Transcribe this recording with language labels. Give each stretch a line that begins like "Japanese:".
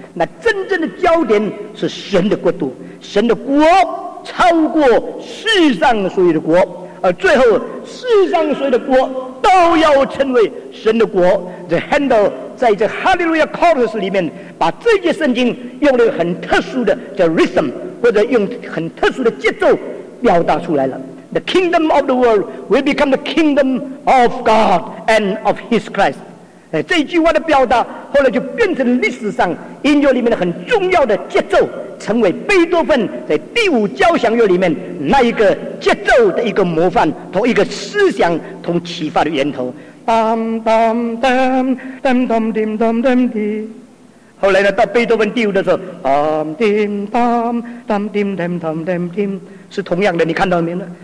Chinese: 那真正的焦点是神的国度，神的国超过世上所有的国，而最后世上所有的国都要成为神的国。这 Handel 在这 Hallelujah Chorus 里面把这些圣经用了很特殊的叫 rhythm， 或者用很特殊的节奏表达出来了。
English: The kingdom of the world will become the kingdom of God and of his Christ。
Chinese: 这句话的表达后来就变成历史上音乐里面的很重要的节奏，成为贝多芬在第五交响乐里面那一个节奏的一个模范同一个思想同启发的源头。当当当当当当当当当，后来呢到贝多芬第五的时候，当当当当当当当当当，是同样的，你看到没有呢？